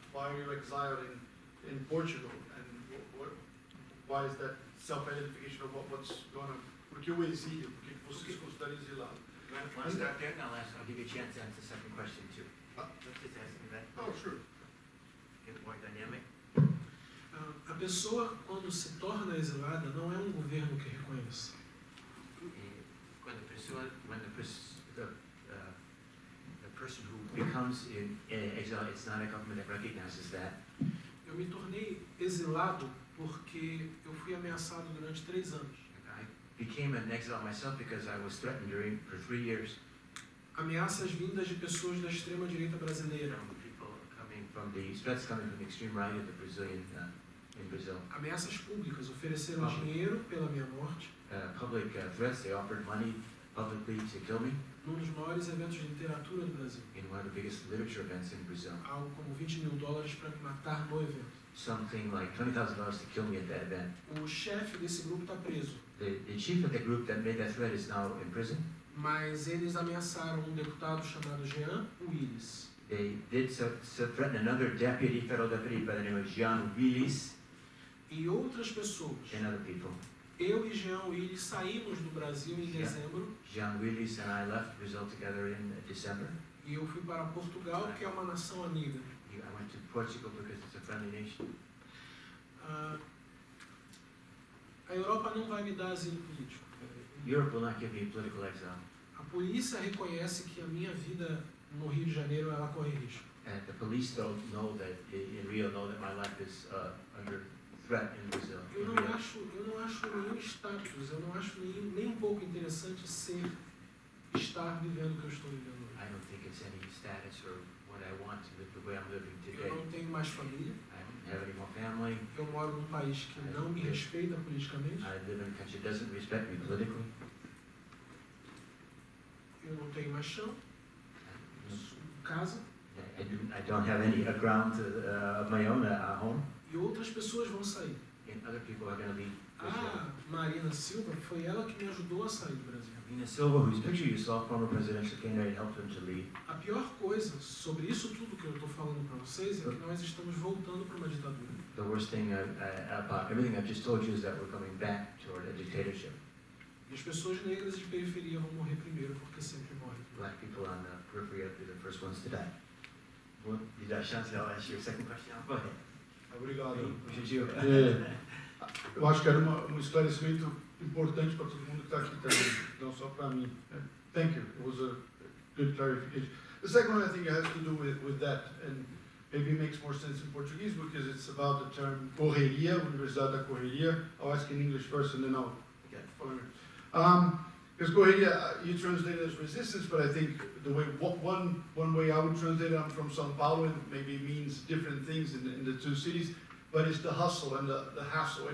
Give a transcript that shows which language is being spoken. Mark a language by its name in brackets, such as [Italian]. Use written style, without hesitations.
[English] Why are you exiled in Portugal? And why is that self-identification of what's going on? [Portuguese] Por que eu exilio? Por que vocês estão lá? [English] Start there, and I'll give you a chance to answer the second question too. Sure. Get more dynamic. [Portuguese] A pessoa, quando se torna exilada, não é um governo que reconhece. Quando a pessoa, quando a [English] person who becomes in exile, it's not a government that recognizes that. [Portuguese] Eu me tornei exilado porque eu fui ameaçado durante 3 anos. [English] I became an exile myself because I was threatened during for 3 years. [Portuguese] Ameaças vindas de pessoas da extrema direita brasileira. [English] People coming from the threats coming from the extreme right of the Brazilian. [Portuguese] Ameaças públicas ofereceram dinheiro pela minha morte. [English] Public threats, they offered money publicly to kill me. [Portuguese] Num dos maiores eventos de literatura do Brasil. [English] In one of the biggest literature events in Brazil. [Portuguese] Algo como $20,000 para me matar no evento. [English] Something like $20,000 to kill me at that event. [Portuguese] O chefe desse grupo está preso. [English] The chief of the group that made that threat is now in prison. [Portuguese] Mas eles ameaçaram um deputado chamado Jean Willis. [English] They did so threaten another deputy, federal deputy by the name of Jean Willis. [Portuguese] E outras pessoas. [English] And other people. [Portuguese] Eu e Jean Willis saímos do Brasil em dezembro. [English] Jean Willis and I left Brazil together in December. [Portuguese] E eu fui para Portugal, que é uma nação amiga. [English] I went to Portugal because it's a friendly nation. [Portuguese] A Europa não vai me dar asilo político. [English] Europe will not give me political exile. [Portuguese] A polícia reconhece que a minha vida no Rio de Janeiro ela corre risco. [English] And the police don't know that in Rio know that my life is under. [Portuguese] Eu não acho nenhum status, eu não acho nem um pouco interessante estar vivendo o que eu estou vivendo hoje. [English] I don't think it's any status or what I want to live the way I'm living today. [Portuguese] Eu não tenho mais família. [English] I don't have any more family. [Portuguese] Eu moro num país que não me respeita politicamente. [English] I live in a country that doesn't respect me politically. [Portuguese] Eu não tenho mais chão. Casa. [English] I don't have any ground of my own, a home. [Portuguese] E outras pessoas vão sair. [English] And other people are going to leave. [Portuguese] Marina Silva, foi ela que me ajudou a sair do Brasil. [English] Marina Silva, whose picture you saw, former presidential candidate, helped him to leave. [Portuguese] A pior coisa sobre isso tudo que eu estou falando para vocês é que nós estamos voltando para uma ditadura. [English] The worst thing about everything I've just told you is that we're coming back toward a dictatorship. [Portuguese] E as pessoas negras de periferia vão morrer primeiro, porque sempre morrem. [English] Black people on the periphery are the first ones to die. Well, you got a chance, I'll ask you a second question. Go ahead. [Portuguese] Obrigado. Eu acho que era um esclarecimento importante para todo mundo que está aqui também, não só para mim. [English] Thank you. It was a good clarification. The second one I think has to do with that, and maybe makes more sense in Portuguese because it's about the term correria, Universidade da Correria. I'll ask in English first and then I'll follow. Because correria, you translate it as resistance, but I think the way one way I would translate it, I'm from São Paulo, and maybe it means different things in the two cities, but it's the hustle and the hassle.